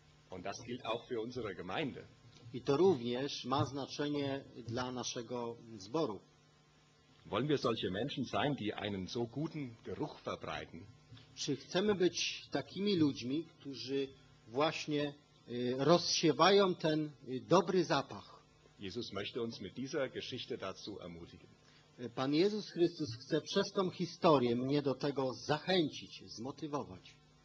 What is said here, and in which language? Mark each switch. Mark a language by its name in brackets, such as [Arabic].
[German] Und das gilt auch für unsere Gemeinde. [Polish] I to również ma znaczenie dla naszego zboru. [German] Wollen wir solche Menschen sein, die einen so guten Geruch verbreiten? [Polish] Czy chcemy być takimi ludźmi, którzy właśnie rozsiewają ten dobry zapach? [German] Jesus möchte uns mit dieser Geschichte dazu ermutigen. [Polish] Pan Jezus Chrystus chce przez tą historię mnie do tego zachęcić, zmotywować.